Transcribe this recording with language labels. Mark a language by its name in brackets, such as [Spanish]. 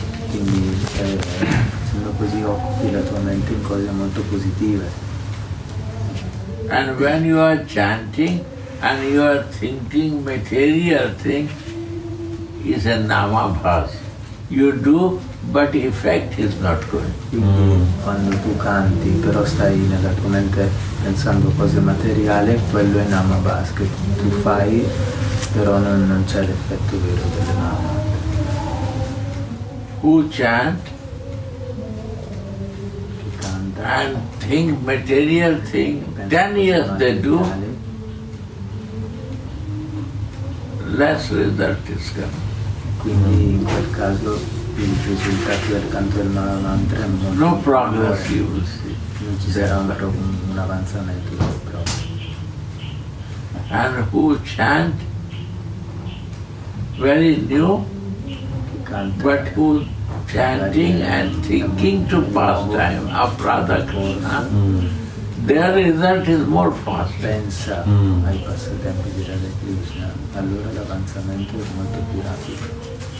[Italian] Quindi sono così occupi la tua mente in cose molto positive. [English] And when you are chanting and you are thinking material thing, is a nama bhas. You do, but effect is not good. [Italian] Quando tu canti, però stai nella tua mente pensando cose materiali, quello è nama bhas che tu fai, però non c'è l'effetto vero del nama. [English] Who chant and think material thing, then yes they do, less result is coming. [Italian] Quindi in quel caso il risultato del canto del mantra è [English] no progress you will see. [Italian] Non ci sarà un avanzamento del progress. [English] And who chant very new, but who chanting and thinking to pastime of Radha Krishna, their result is more fast. [Italian] Pensa ai passatempi di Radha Krishna, allora l'avanzamento è molto più rapido.